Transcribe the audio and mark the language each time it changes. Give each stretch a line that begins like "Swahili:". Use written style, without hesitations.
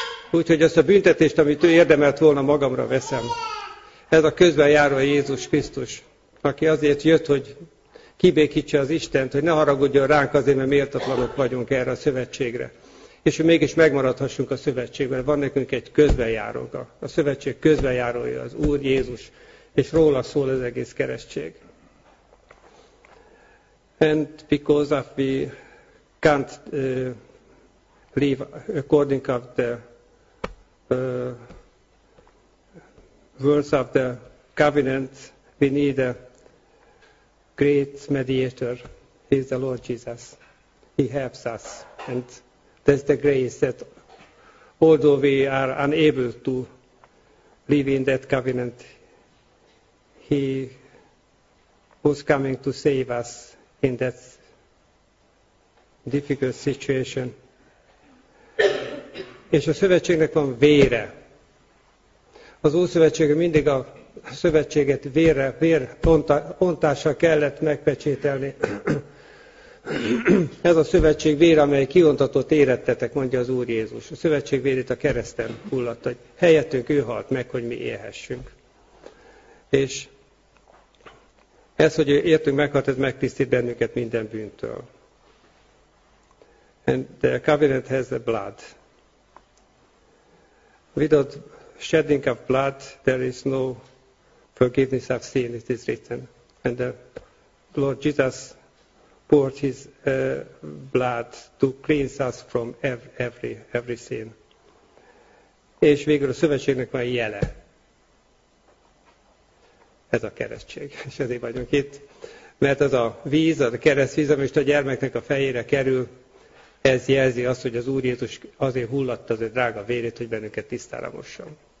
Hungarian: Úgyhogy azt a büntetést, amit ő érdemelt volna, magamra veszem. Ez a közbenjáró Jézus Krisztus, aki azért jött, hogy kibékítse az Istent, hogy ne haragudjon ránk azért, mert méltatlanok vagyunk erre a szövetségre. És hogy mégis megmaradhassunk a szövetségben. Van nekünk egy közbenjárónk. A szövetség közbenjárója az Úr Jézus, és róla szól az egész keresztség.
English: And because of we can't live according of the words of the covenant, we need a great mediator. He is the Lord Jesus. He helps us. And that's the grace that although we are unable to live in that covenant, he was coming to save us in that difficult situation.
Hungarian: És a szövetségnek van vére. Az Ószövetség mindig a szövetséget vérre, vérontással kellett megpecsételni. Ez a szövetség vére, amely kiontatott érettetek, mondja az Úr Jézus. A szövetség vérét a kereszten hullott, hogy helyettünk ő halt meg, hogy mi élhessünk. És ez, hogy értünk meghalt, ez megtisztít bennünket minden bűntől.
English: And the covenant has the blood. Without shedding of blood, there is no forgiveness of sin, it is written. And the Lord Jesus poured his blood to cleanse us from every sin.
Hungarian: És végül a szövetségnek van jele. Ez a keresztség. És ezért vagyunk itt. Mert az a víz, az a keresztvíz, ami a gyermeknek a fejére kerül, ez jelzi azt, hogy az Úr Jézus azért hullatta az ő drága vérét, hogy bennünket tisztára mosson.